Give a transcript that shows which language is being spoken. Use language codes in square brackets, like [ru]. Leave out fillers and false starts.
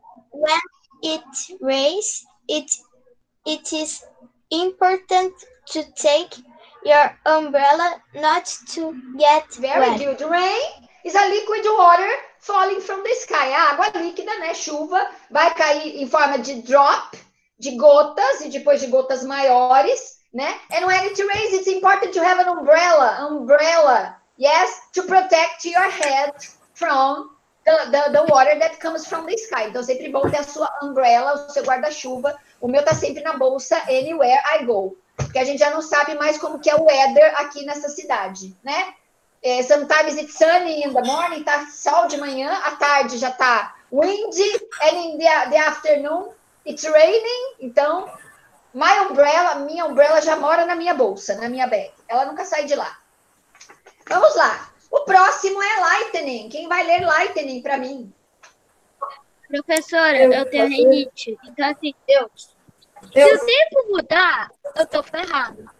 [en] When it rains, it is important to take your umbrella not to get very wet. Good. Rain is a liquid water falling from the sky. [pt] A água líquida, né? Chuva vai cair em forma de drop, de gotas, e depois de gotas maiores, né? [en] And when it rains, it's important to have an umbrella, yes, to protect your head from the water that comes from the sky. [pt] Então, sempre bom ter a sua umbrella, o seu guarda-chuva. O meu tá sempre na bolsa, [en] anywhere I go. [pt] Porque a gente já não sabe mais como que é o weather aqui nessa cidade, né? [en] É, sometimes it's sunny in the morning, [pt] tá sol de manhã, à tarde já tá [en] windy, and in the afternoon it's raining. [pt] Então, minha umbrella já mora na minha bolsa, na minha bag. Ela nunca sai de lá. Vamos lá. O próximo é Lightning. Quem vai ler Lightning para mim? Professora, eu tenho rinite. Então, assim, se o tempo mudar, eu tô ferrado.